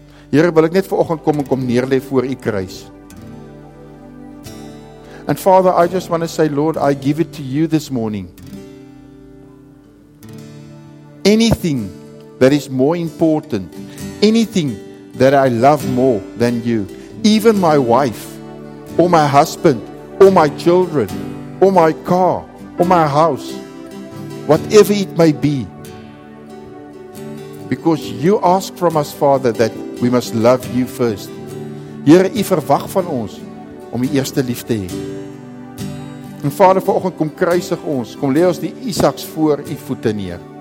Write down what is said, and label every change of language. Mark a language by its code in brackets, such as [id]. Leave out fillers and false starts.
[af] Here, wil ek net vanoggend kom en kom neerlê voor U kruis. [en] And Father, I just want to say, Lord, I give it to You this morning. Anything that is more important, anything that I love more than you. Even my wife, or my husband, or my children, or my car, or my house, whatever it may be. Because you ask from us, Father, that we must love you first. [af] Here, u verwag van ons om die eerste lief te hê. En Vader, vanoggend kom kruisig ons, kom lê ons die Isaks voor u voete neer.